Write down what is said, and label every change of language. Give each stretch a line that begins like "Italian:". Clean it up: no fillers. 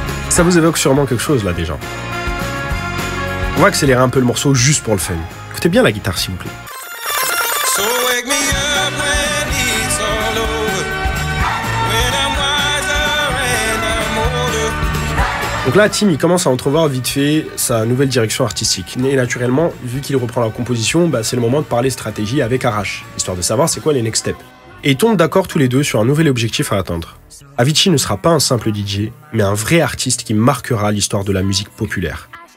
French: Ça vous évoque sûrement quelque chose là déjà. On va accélérer un peu le morceau juste pour le fun. Écoutez bien la guitare s'il vous plaît.
English: So wake me up when it's all over. When I'm wiser and I'm older.
French: Donc là, Tim il commence à entrevoir vite fait sa nouvelle direction artistique. Et naturellement, vu qu'il reprend la composition, c'est le moment de parler stratégie avec Arash, histoire de savoir c'est quoi les next steps. Et ils tombent d'accord tous les deux sur un nouvel objectif à atteindre. Avicii ne sera pas un simple DJ, mais un vrai artiste qui marquera l'histoire de la musique populaire.